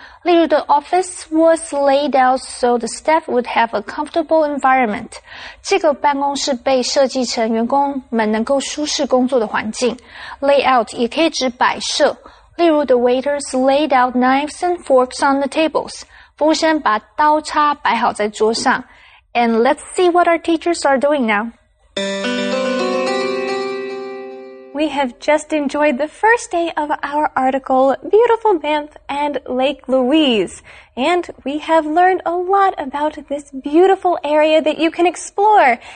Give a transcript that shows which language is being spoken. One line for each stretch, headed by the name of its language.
Chinese: 例如
English: ,the office was laid out so the staff would have a comfortable environment.
Chinese: 这个办公室被设计成员工们能够舒适工作的环境。
English: Layout
Chinese: 也可以指摆设。例如
English: ,the waiters laid out knives and forks on the tables.
Chinese: 服务生把刀叉摆好在桌上。
English: And let's see what our teachers are doing now. We have just enjoyed the first day of our article, Beautiful Banff and Lake Louise. And we have learned a lot about this beautiful area that you can explore.